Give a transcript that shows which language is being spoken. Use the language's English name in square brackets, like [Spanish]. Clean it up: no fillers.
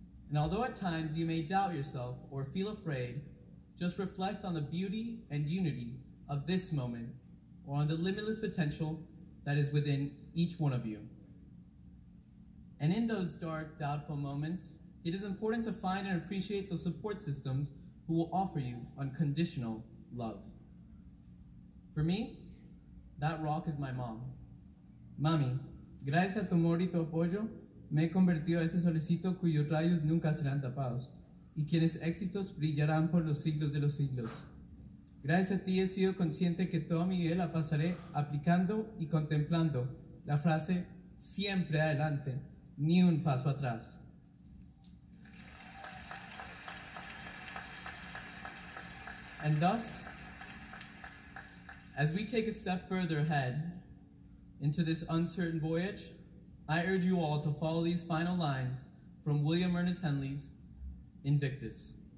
[English] And although at times you may doubt yourself or feel afraid, just reflect on the beauty and unity of this moment or on the limitless potential that is within each one of you. And in those dark, doubtful moments, it is important to find and appreciate those support systems who will offer you unconditional love. For me, that rock is my mom. [Spanish] Mami, gracias a tu amor y tu apoyo, me he convertido a ese solecito cuyos rayos nunca serán tapados, y quienes éxitos brillarán por los siglos de los siglos. Gracias a ti he sido consciente que toda mi vida la pasaré aplicando y contemplando la frase siempre adelante, ni un paso atrás. [English] And thus, as we take a step further ahead into this uncertain voyage, I urge you all to follow these final lines from William Ernest Henley's Invictus.